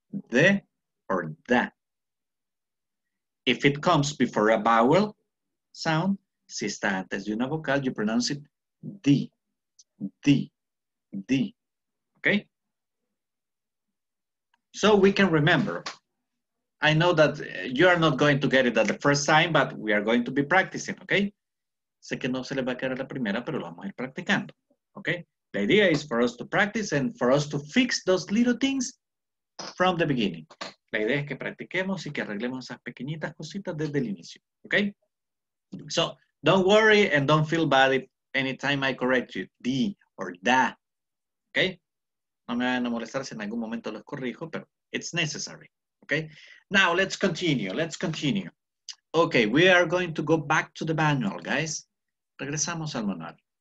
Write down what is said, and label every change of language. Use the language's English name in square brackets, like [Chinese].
[English] The or that. If it comes before a vowel sound, [Spanish] si está antes de una vocal, [English] you pronounce it di, di, di. Okay? So we can remember. I know that you are not going to get it at the first time, but we are going to be practicing, okay? [Spanish] Sé que no se le va a quedar a la primera, pero lo vamos a ir practicando, okay? [English] The idea is for us to practice and for us to fix those little things from the beginning. [Spanish] La idea es que practiquemos y que arreglemos esas pequeñitas cositas desde el inicio, okay? [English] So, don't worry and don't feel bad if anytime I correct you, di or da, okay? [Spanish] No me vayan a molestar si en algún momento los corrijo, pero [English] it's necessary, [Spanish] okay? [English] Now, let's continue, let's continue. Okay, we are going to go back to the manual, guys. [Spanish] Regresamos al manual.